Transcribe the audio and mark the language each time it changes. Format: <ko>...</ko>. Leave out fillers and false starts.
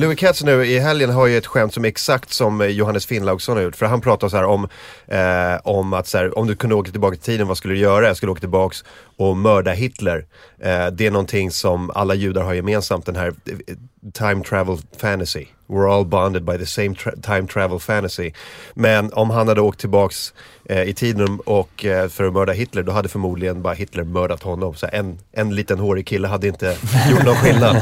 <sv>Louis Katz nu i helgen har ju ett skämt som exakt som Johannes Finnlaugsson. För han pratade så här om att så här, om du kunde åka tillbaka i tiden, vad skulle du göra? Jag skulle åka tillbaka och mörda Hitler. Det är någonting som alla judar har gemensamt, den här</sv> <en>time travel fantasy. We're all bonded by the same time travel fantasy.</en> <sv>Men om han hade åkt tillbaka i tiden och för att mörda Hitler, då hade förmodligen bara Hitler mördat honom. Så en liten hårig kille hade inte gjort någon skillnad.</sv>